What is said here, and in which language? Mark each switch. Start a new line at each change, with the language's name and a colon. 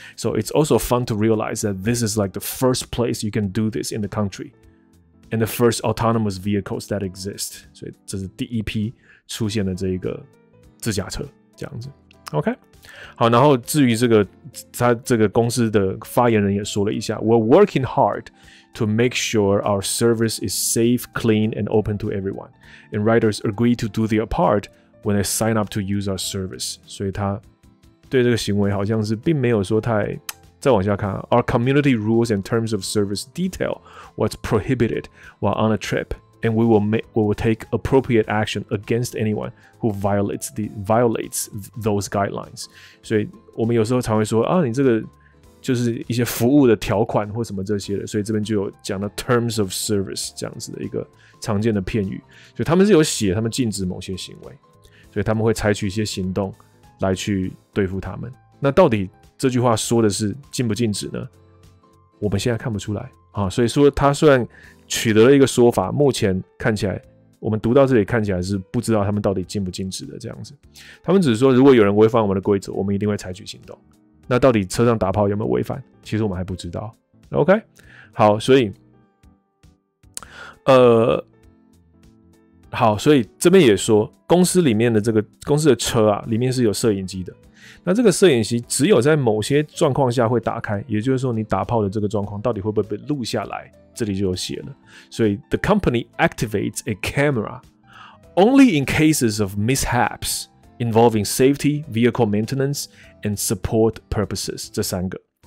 English: So it's also fun to realize that this is like the first place you can do this in the country. And the first autonomous vehicles that exist.
Chinese: 所以这是第一批出现的这一个自驾车，这样子。OK? 好，然后至于这个他这个公司的发言人也说了一下
English: ，We're working hard to make sure our service is safe, clean, and open to everyone, and riders agree to do their part when they sign up to use our service。
Chinese: 所以他对这个行为好像是并没有说太。再往下看
English: ，Our community rules and terms of service detail what's prohibited while on a trip, and we will take appropriate action against anyone who violates those guidelines。
Chinese: 所以我们有时候常会说啊，你这个就是一些服务的条款或什么这些的。所以这边就有讲到
English: terms of service
Chinese: 这样子的一个常见的片语。所以他们是有写他们禁止某些行为，所以他们会采取一些行动来去对付他们。那到底？这句话说的是禁不禁止呢？我们现在看不出来、啊、所以说他虽然取得了一个说法，目前看起来我们读到这里看起来是不知道他们到底禁不禁止的这样子。他们只是说如果有人违反我们的规则，我们一定会采取行动。那到底车上打炮有没有违反？其实我们还不知道。 OK， 好，所以好，所以这边也说公司里面的这个公司的车啊，里面是有摄影机的。那这个摄影机只有在某些状况下会打开，也就是说你打炮的这个状况到底会不会被录下来，这里就有写了。所以
English: The company activates a camera only in cases of mishaps involving safety, vehicle maintenance, and support purposes
Chinese: 这三个。